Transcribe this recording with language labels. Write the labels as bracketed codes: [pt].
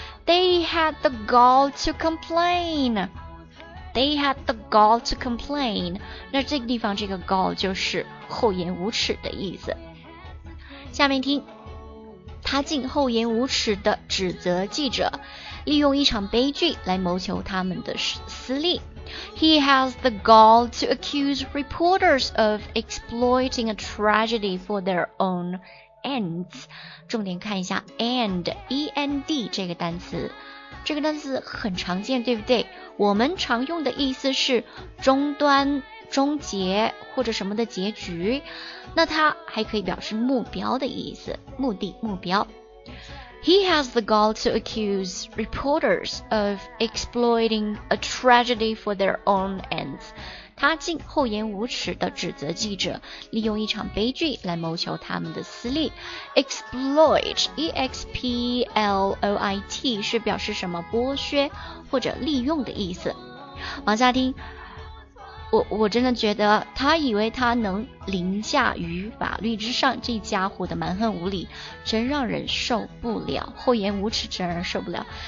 [en] They had the gall to complain. They had the gall to complain. [zh] 那这个地方这个 gall 就是厚颜无耻的意思。下面听，他竟厚颜无耻地指责记者，利用一场悲剧来谋求他们的私利。 [en] He has the gall to accuse reporters of exploiting a tragedy for their own ends. [zh] 重点看一下 end, E-N-D 这个单词，这个单词很常见，对不对？我们常用的意思是终端、终结或者什么的结局，那它还可以表示目标的意思，目的、目标。 [en] He has the gall to accuse reporters of exploiting a tragedy for their own ends. [zh] 他竟厚颜无耻地指责记者，利用一场悲剧来谋求他们的私利。 Exploit, E-X-P-L-O-I-T, 是表示什么剥削或者利用的意思。往下听，我真的觉得他以为他能凌驾于法律之上，这家伙的蛮横无理真让人受不了，厚颜无耻真让人受不了。